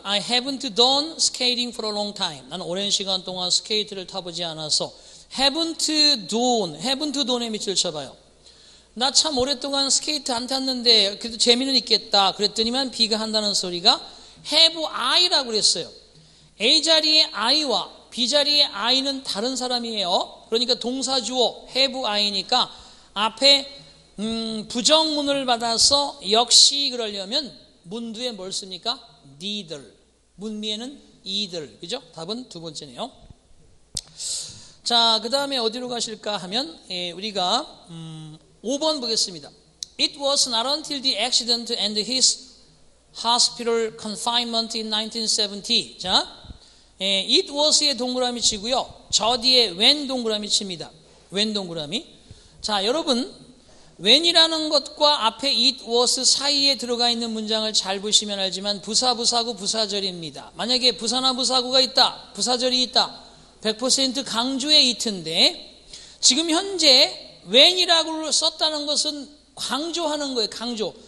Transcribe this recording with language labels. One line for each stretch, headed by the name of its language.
English: I haven't done skating for a long time.
Korean: 나는 오랜 시간 동안 스케이트를 타보지 않아서 haven't done에 밑줄 쳐봐요. 나 참 오랫동안 스케이트 안 탔는데 그래도 재미는 있겠다. 그랬더니만 B가 한다는 소리가 have I라고 그랬어요. A 자리의 I와 B 자리의 I는 다른 사람이에요. 그러니까 동사 주어 have I니까 앞에 부정문을 받아서 역시 그러려면 문두에 뭘 씁니까? neither. 문미에는 either. 그죠? 답은 두 번째네요. 자, 그 다음에 어디로 가실까 하면 우리가 5번 보겠습니다.
English: It was not until the accident and his hospital confinement in 1970.
Korean: 자, it was의 동그라미 치고요. 저 뒤에 when 동그라미 칩니다. when 동그라미. 자, 여러분 when이라는 것과 앞에 it was 사이에 들어가 있는 문장을 잘 보시면 알지만 부사, 부사구, 부사절입니다. 만약에 부사나 부사구가 있다, 부사절이 있다, 100% 강조의 it인데 지금 현재 when이라고 썼다는 것은 강조하는 거예요. 강조.